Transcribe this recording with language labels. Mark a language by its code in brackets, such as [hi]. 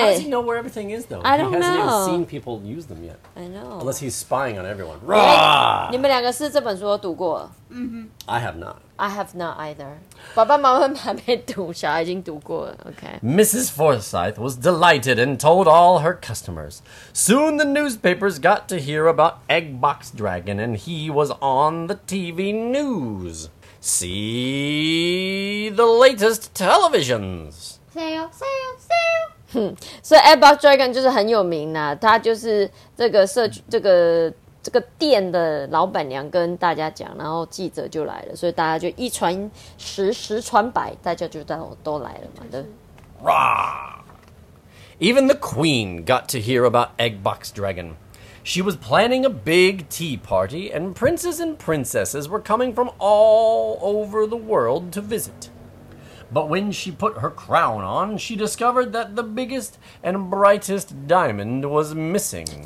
[en] How does he know where everything is though? I don't know. He hasn't even seen people use them yet. I know. Unless he's spying on everyone. [zh] 你们两个是这本书读过？ [en] I have not. I have not either. [zh] 爸爸妈妈还没读，小孩已经读过了。 [en] Okay. Mrs. Forsythe was delighted and told all her customers. Soon the newspapers got to hear about Egg Box Dragon and he was on the TV news. See the latest televisions. Sale. [zh] So Egg Box Dragon 就是很有名啦，他就是这个社区这个。这个店的老板娘跟大家讲，然后记者就来了，所以大家就一传十，十传百，大家就都来了嘛，对。 [en] Even the queen got to hear about Egg Box Dragon. She was planning a big tea party, and princes and princesses were coming from all over the world to visit. But when she put her crown on, she discovered that the biggest and brightest diamond was missing.